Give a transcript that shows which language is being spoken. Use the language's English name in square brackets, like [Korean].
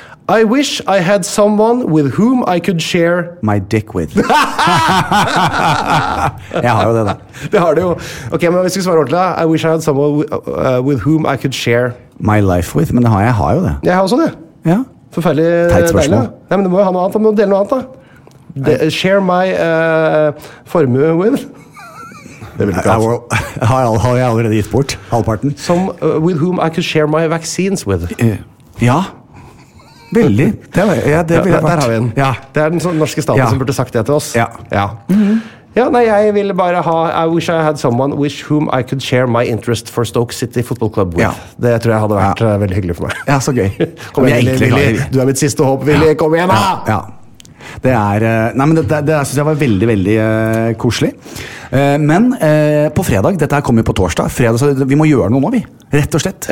[English] I wish I had someone with whom I could share my dick with. [Norwegian] Jeg har jo det da. Det har du jo. Ok, men hvis vi skal svare ordentlig da. [English] I wish I had someone with whom I could share my life with. [Norwegian] Men det har jeg har jo det. Jeg har også det. Ja. Forferdelig teit spørsmål. Nei, men du må jo ha noe annet. Du må dele noe annet da. [English] Share my formue with. [Norwegian] Det vil du ikke ha. Har jeg allerede gitt bort halvparten. [English] Some with whom I could share my vaccines with. [Norwegian] Ja. Veldig. Der har vi den. Ja. Det er den norske staten som burde sagt det til oss. Ja. Ja. Mm-hmm. Ja, nei, jeg ville bare ha [English] I wish I had someone with whom I could share my interest for Stoke City Football Club with. [Norwegian] Ja. Det tror jeg hadde vært veldig hyggelig for meg. Ja, så gøy. Kom igjen, Willi. Du mitt siste håp, Willi. Ja. Kom igjen, da! Ja. Det nei, men det synes jeg var veldig, veldig koselig. Men på fredag, dette her kommer jo på torsdag. Fredag, så vi må gjøre noe nå, vi. Rett og slett.